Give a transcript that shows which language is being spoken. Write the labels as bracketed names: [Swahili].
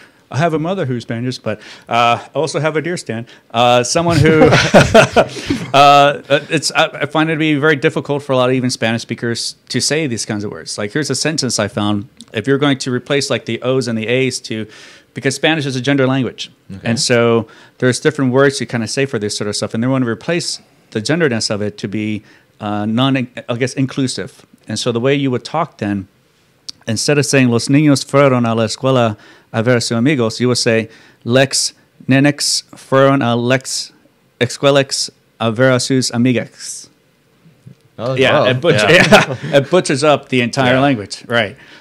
[English] I have a mother who's Spanish, but I also have a deer stand. Someone who I find it to be very difficult for a lot of even Spanish speakers to say these kinds of words. Like, here's a sentence I found. If you're going to replace like the O's and the A's to, because Spanish is a gender language. Okay. And so there's different words you kind of say for this sort of stuff. And they want to replace the genderness of it to be inclusive. And so the way you would talk then, instead of saying [Spanish] los niños fueron a la escuela a ver a sus amigos, [English] you would say [Spanish] lex nenex fueron a lex escuelex a ver a sus amigas. [English] It butchers up the entire language, right?